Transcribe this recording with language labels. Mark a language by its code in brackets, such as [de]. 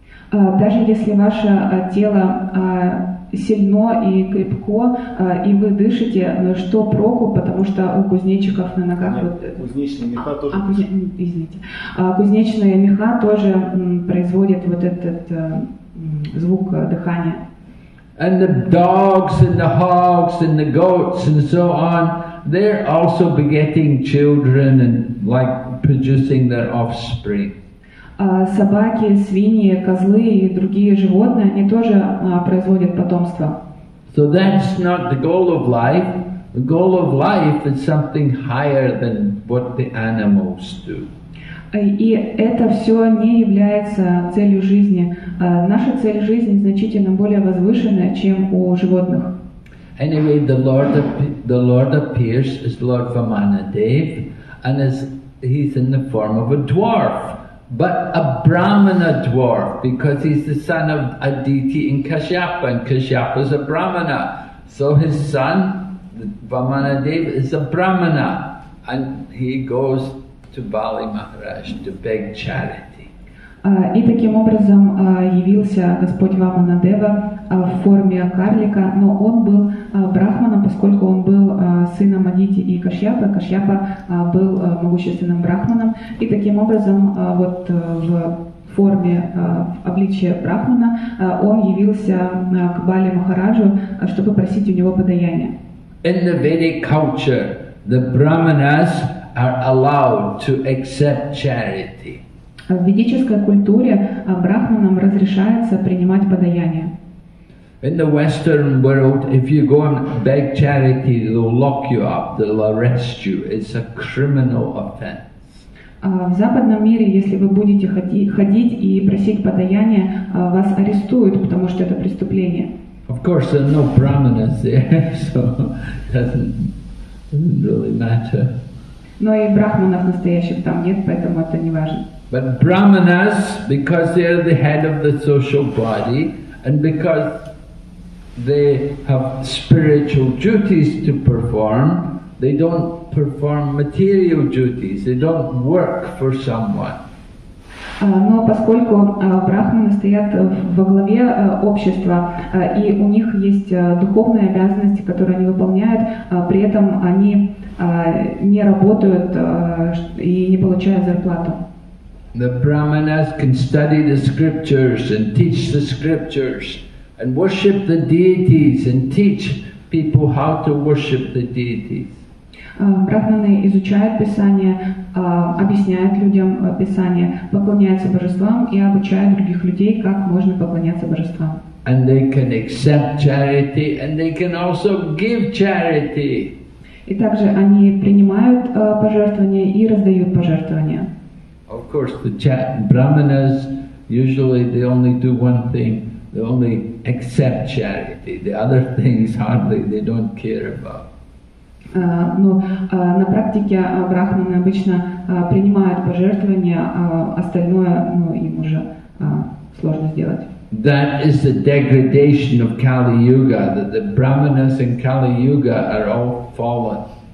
[ru] Даже если ваше тело сильно и крепко, и вы дышите, но что проку, потому что у кузнечиков на ногах... Нет, кузнечные меха тоже... Извините. Кузнечные меха тоже производят вот этот звук дыхания. [en] And the dogs, and the hogs, and the goats, and so on, they're also begetting children and like producing their offspring. [ru] Собаки, свиньи, козлы и другие животные, они тоже производят потомство. [en] So that's not the goal of life. The goal of life is something higher than what the animals do. [ru] И это все не является целью жизни. Наша цель жизни значительно более возвышенная, чем у животных. [en] Anyway, the Lord appears as Lord Vamanadev, and as he's in the form of a dwarf. But a Brahmana dwarf, because he's the son of Aditi in Kashyapa, and Kashyapa is a Brahmana. So his son, Vamanadeva, is a Brahmana, and he goes to Bali Maharaj to beg charity. [ru] И таким образом явился Господь Ваманадева в форме карлика, но он был Брахманом, поскольку он был сыном Адити и Кашьяпы. Кашьяпа был могущественным Брахманом. И таким образом вот в форме, в обличье Брахмана он явился к Бали Махараджу, чтобы просить у него подаяния. [en] In the Vedic culture, the Brahmanas are allowed to accept charity. [ru] В ведической культуре брахманам разрешается принимать подаяние. [en] In the Western world, if you go and beg charity, they'll lock you up, they'll arrest you. It's a criminal offense. [ru] В западном мире, если вы будете ходить и просить подаяние, вас арестуют, потому что это преступление. [en] Of course, there are no brahmanas there, so it doesn't really matter. [ru] Но и брахманов настоящих там нет, поэтому это не важно. [en] But brahmanas, because they are the head of the social body, and because they have spiritual duties to perform, they don't perform material duties, they don't work for someone. [ru] Но поскольку брахманы стоят во главе общества, и у них есть духовные обязанности, которые они выполняют, при этом они не работают и не получают зарплату. [en] The brahmanas can study the scriptures and teach the scriptures and worship the deities and teach people how to worship the deities. [ru] Брахманы изучают Писание, объясняют людям Писание, поклоняются божествам и обучают других людей, как можно поклоняться божествам. [en] And they can accept charity and they can also give charity. [ru] И также они принимают пожертвования и раздают пожертвования. [en] Of course, the brahmanas usually they only do one thing, they only accept charity. The other things hardly they don't care about. [ru] На практике брахманы обычно принимают пожертвования, остальное, им уже сложно сделать. [en] That is the degradation of Kali Yuga, that the brahmanas in Kali Yuga are all fallen.